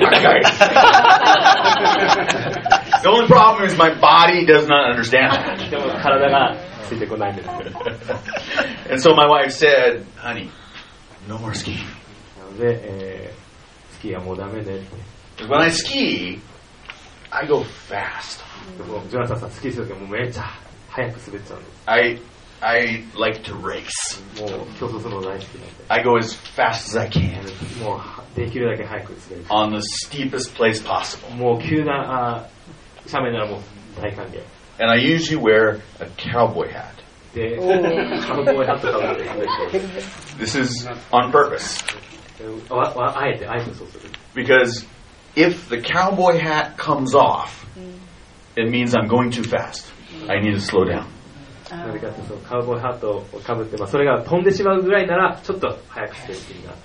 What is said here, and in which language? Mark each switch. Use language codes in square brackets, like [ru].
[en] The only problem is my body does not understand. [ja] でも体がついてこないんです。 [en] And so my wife said, "Honey, no more skiing." [ja] で、スキーはもうダメで。 [en] When I ski, I go fast. [ja] ジョナサンさん、スキーするときもめっちゃ速く滑っちゃうんです。 [en] I like to race. [ja] もう競争するの大好きなんで。 [en] I go as fast as I can. [ja] もうできるだけ速く滑る。 [en] On the steepest place possible. [ja] もう急な斜面ならもう大歓迎。 [en] And I usually wear a cowboy hat. [ja] で、カウボーイハットかぶって滑ります。 [en] This is on purpose. [ja] あえてそうする。 [en] Because If the cowboy hat comes off, it means I'm going too fast. I need to slow down. [ja] なぜかというと、カウボーイハットをかぶって、まあ、それが飛んでしまうぐらいなら、ちょっと速くしてみた。